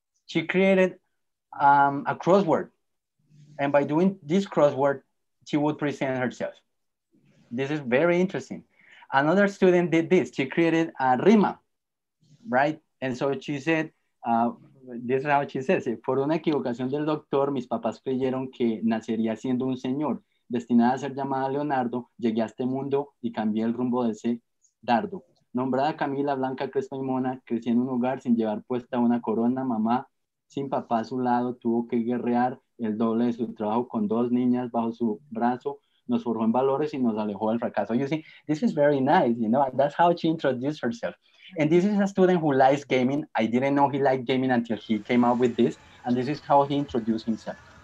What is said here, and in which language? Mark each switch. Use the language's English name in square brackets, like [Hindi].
[English] She created a crossword. And by doing this crossword, she would present herself. This is very interesting. Another student did this. She created a rima, right? And so she said, this is how she says it. [Spanish] Por una equivocación del doctor, mis papás creyeron que nacería siendo un señor. Destinada a ser llamada Leonardo, llegué a este mundo y cambié el rumbo de ese dardo. Nombrada Camila Blanca Crespo y Mona, crecí en un hogar sin llevar puesta una corona. Mamá, sin papá a su lado, tuvo que guerrear el doble de su trabajo con dos niñas bajo su brazo. Nos forjó en valores y nos alejó del fracaso. [English] You see, this is very nice, you know, that's how she introduced herself. And this is a student who likes gaming. I didn't know he liked gaming until he came up with this. And this is how he introduced himself.